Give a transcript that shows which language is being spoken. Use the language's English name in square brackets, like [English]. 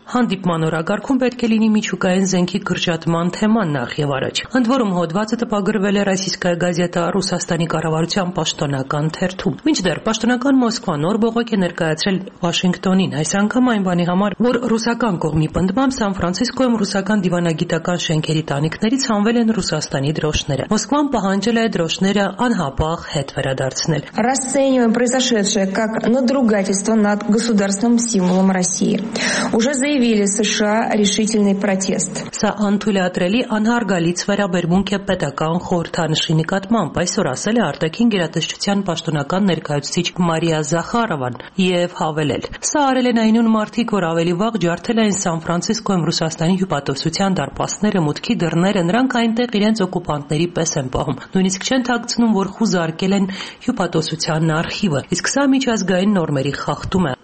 [Armenian] հանդիպման օրակարգում պետք է լինի միջուկային զենքի կրճատման թեման նախ և առաջ։ Ընդ որում հոդվածը տպագրվել է Ռասիսկայա գազետա Ռուսաստանի կառավարության պաշտոնական հերթում։ Մինչդեռ պաշտոնական Մոսկվա նոր բողոք է ներկայացրել Վաշինգտոնին, այս անգամ այն բանի համար, որ ռուսական կողմի պնդմամբ Սան Ֆրանցիսկոյում ռուսական դիվանագիտական շենքերի տանիքներից հանվել են ռուսաստանի դրոշները։ Մոսկվան պահանջել է դրոշները անհապաղ հետ վերադարձնել։ [Russian] Расцениваем произошедшее как надругательство над государственным символом России. Уже заявили США решительный протест. [Armenian] Սա անթույլատրելի անհարգալից վերաբերմունք է պետական խորհրդանշի նկատմամբ, այսօր ասել է արտաքին գերատեսչության պաշտոնական ներկայացուցիչ Մարիա Զախարովան և հավելել։ Սա արել են այնուն մարդիկ, որ ավելի վաղ ջարդել են Սան Ֆրանցիսկոյում Ռուսաստանի հյուպատոսության դարպասները, մուտքի դռները, նրանք այնտեղ իրենց օկուպանտների պես են պահում, նույնիսկ չեն թաքցնում, որ խուզարկել են հյուպատոսության արխիվը, իսկ սա միջազգային նորմերի խախտում է,